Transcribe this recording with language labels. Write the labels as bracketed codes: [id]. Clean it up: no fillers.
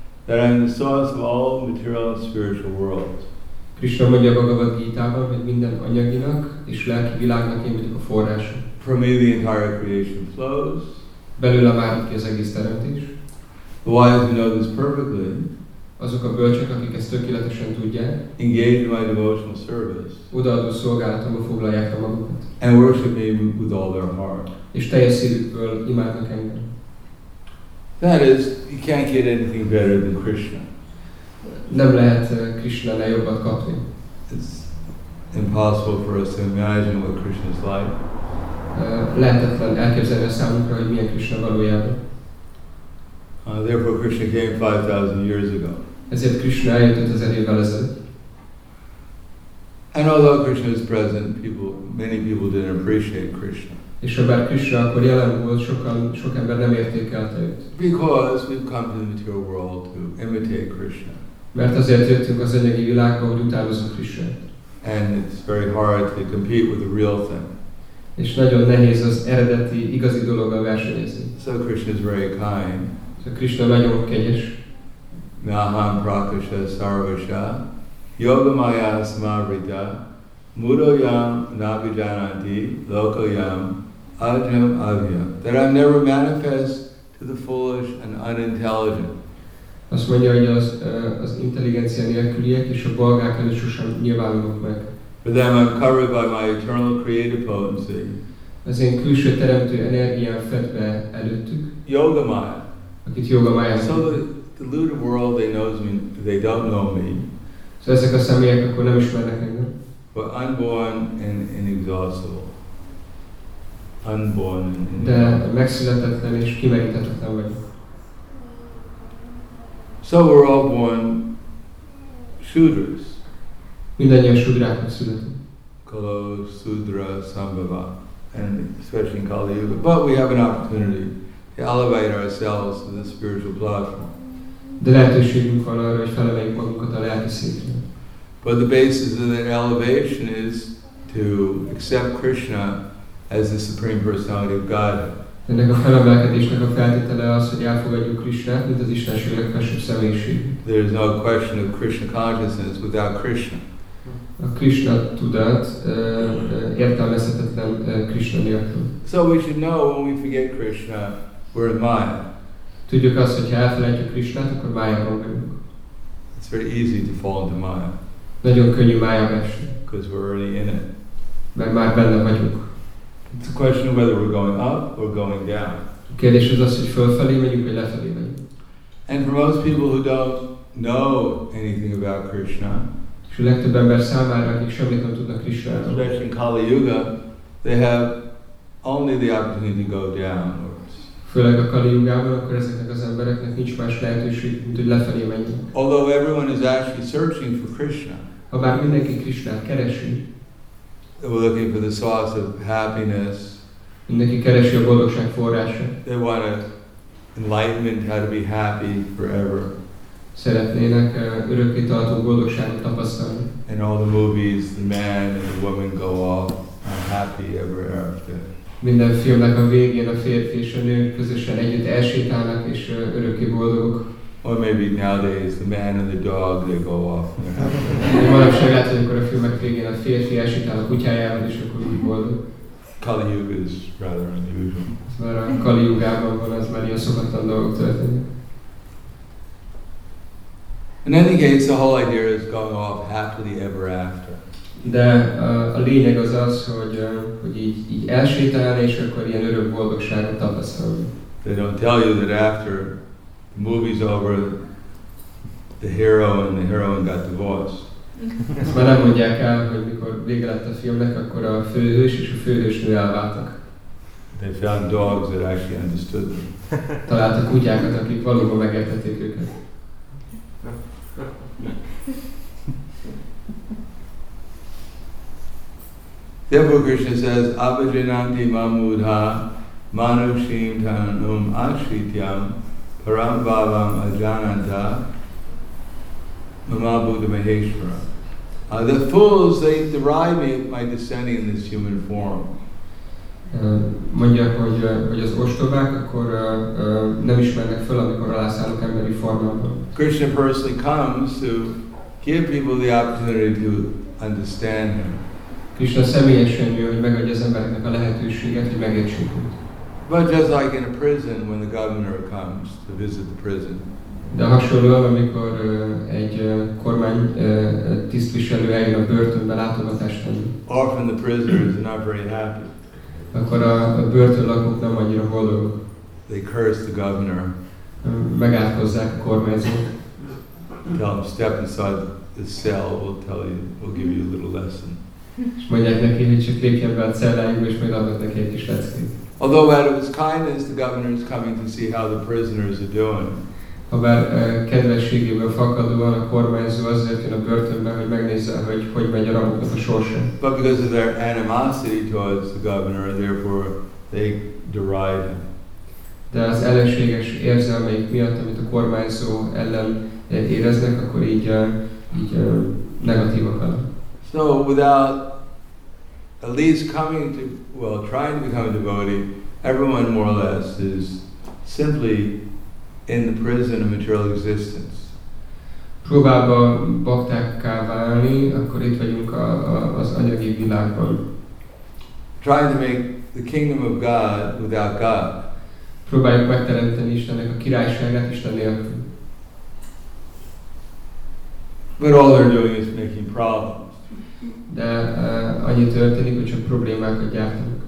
[en] That I am the source of all material and spiritual worlds. [hu] Krishna mondja Bhagavad Gita-ban, hogy minden anyaginak és lelki világnak én vagyok a forrása. [en] From me the entire creation flows. [hu] Belőle várjuk ki az egész teremtés. [en] The wise who know this perfectly. [hu] Azok a bölcsek, akik ezt tökéletesen tudják. [en] Engage in my devotional service. [hu] Odaadó szolgálatomba foglalják a magukat. [en] And worship me with all their heart. [hu] És teljes szívükből imádnak engem. [en] That is, you can't get anything better than Krishna. [hu] Nem lehet Krishna-nál jobbat kapni. [en] It's impossible for us to imagine what Krishna is like. [hu] Lehetetlen elképzelni a számunkra, hogy milyen Krishna valójában. [en] Therefore, Krishna came 5,000 years ago. [hu] Ezért Krishna eljött 5,000 évvel ezelőtt. [en] And although Krishna is present, many people didn't appreciate Krishna. [hu] És ha bár Krishna akkor jelen volt, sok ember nem értékelte őt. [en] Because we've come to the material world to imitate Krishna. [hu] Mert azért jöttünk az anyagi világba, hogy utánozzunk Krishnát. [en] And it's very hard to compete with the real thing. [hu] És nagyon nehéz az eredeti, igazi dologgal versenyezni. [en] So Krishna is very kind. [hu] So Krishna nagyon kegyes. [sa] Naham prakasha sarvasha yoga maya smarita Mudoyam nabhijanati lokoyam ajam avyam. [en] That I'm never manifest to the foolish and unintelligent. [hu] Azt mondja, hogy az intelligencia nélküliek és a bolgák előtt sosem nyilvánulok meg. [en] For them I'm covered by my eternal creative potency. [hu] Az én külső teremtő energiám fedve előttük. [sa] Yoga maya. [hu] Akit yoga maya. [en] So the deluded world, they knows me, they don't know me. [hu] So ezek a személyek akkor nem ismernek engem. [en] But unborn and inexhaustible. Unborn and inexhaustible. [hu] De megszületetlen és kimeríthetetlen vagyok. [en] So we're all born shudras. [hu] Mindannyian shudrákat születünk. [sa] Kalo, sudra, sambhava. [en] And especially in Kali Yuga. But we have an opportunity to elevate ourselves to the spiritual platform. [hu] De lehetőségünk van arra, hogy felemeljük magunkat a lelki szintre. [en] But the basis of that elevation is to accept Krishna as the Supreme Personality of Godhead. [hu] Ennek a felemelkedésnek a feltétele az, hogy elfogadjuk Krishnát, mint az Istenség legfelsőbb személyiségét. [en] There is no question of Krishna consciousness without Krishna. [hu] A Krishna tudat értelmezhetetlen Krishna nélkül. [en] So we should know when we forget Krishna, we're in Maya. [hu] Tudjuk azt, hogy ha elfelejtjük Krishnát, akkor Mayában vagyunk. [en] It's very easy to fall into Maya. [hu] Nagyon könnyű májába esni. [en] Because we're already in it. [hu] Mert már benne vagyunk. [en] It's a question of whether we're going up or going down. [hu] A kérdés az az, hogy fölfelé megyünk, vagy lefelé megyünk. [en] And for most people who don't know anything about Krishna, [hu] és a legtöbb ember számára, akik semmit nem tudnak Krishnáról, [en] especially in Kali Yuga, they have only the opportunity to go down. [hu] Főleg a Kali Yugában, akkor ezeknek az embereknek nincs más lehetőség, mint hogy lefelé menjen. [en] Although everyone is actually searching for Krishna. [hu] Habár mindenki Krishnát keresi. [en] They were looking for the source of happiness. [hu] Mindenki keresi a boldogság forrása. [en] They want enlightenment, how to be happy forever. [hu] Szeretnének örökké tartó boldogságot tapasztalni. [en] In all the movies, the man and the woman go off unhappy ever after. [hu] Minden filmnek a végén a férfi és a nő közösen együtt elsétálnak és örökké boldogok. [en] Or maybe nowadays the man and the dog, they go off. [hu] Manapság lehet, amikor a filmek végén a férfi elsétál a kutyájával és akkor úgy boldog. [en] Kali Yuga is rather unusual. [hu] Mert a Kali Yugában van, az már ilyen szokatlan dolgok történik. [en] In any case, the whole idea is going off happily ever after. [hu] De a lényeg az az, hogy, hogy így, így elsétál, és akkor ilyen örök boldogságot tapasztalod. [en] They don't tell you that after the movie's over, the hero and the heroine got divorced. [hu] Ezt már nem mondják el, hogy mikor vége lett a filmnek, akkor a főhős és a főhősnő elváltak. [en] They found dogs that actually understood them. [hu] Találtak kutyákat, akik valóban megértették őket. [en] Therefore Krishna says, [sa] Abhijananti mamudha manushim tanum ashrityam parambhavam ajananta mamabhuta maheshwara. [en] The fools, they deride me by descending in this human form. [hu] Mondják, hogy, hogy az ostobák, akkor nem ismernek föl, amikor alászállok emberi formában. [en] Krishna personally comes to give people the opportunity to understand him. [hu] Krishna személyesen jön, hogy megadja az embereknek a lehetőséget, hogy megértsék őt. [en] But just like in a prison, when the governor comes to visit the prison. [hu] De hasonlóan, amikor egy kormány tisztviselő eljön a börtönbe látogatást tenni. [en] Often the prisoners are not very happy. [hu] Akkor a börtön lakók nem annyira boldog. [en] They curse the governor. [hu] Megátkozzák a kormányzót. [en] Tell him, step inside the cell, we'll tell you, we'll give you a little lesson. [hu] És mondják neki, hogy csak lépjen be a celláig, és majd adnak neki egy kis leckét. [en] Although out of his kindness, the governor is coming to see how the prisoners are doing. [hu] Habár kedvességéből fakadóan a kormányzó azért jön a börtönbe, hogy megnézze, hogy hogy megy a rabokat a sorsa. [en] But because of their animosity towards the governor, therefore they deride him. [hu] De az ellenséges érzelmeik miatt, amit a kormányzó ellen éreznek, akkor így, így negatívak vannak. [en] So without at least coming to, well, trying to become a devotee, everyone more or less is simply in the prison of material existence. [hu] Próbálva baktákká válni, akkor itt vagyunk az anyagi világban. [en] Trying to make the kingdom of God without God. [hu] Próbáljuk megteremteni Istennek a királyságát Isten nélkül. [en] But all they're doing is making problems. [hu] De annyi történik, hogy csak problémákat gyártunk.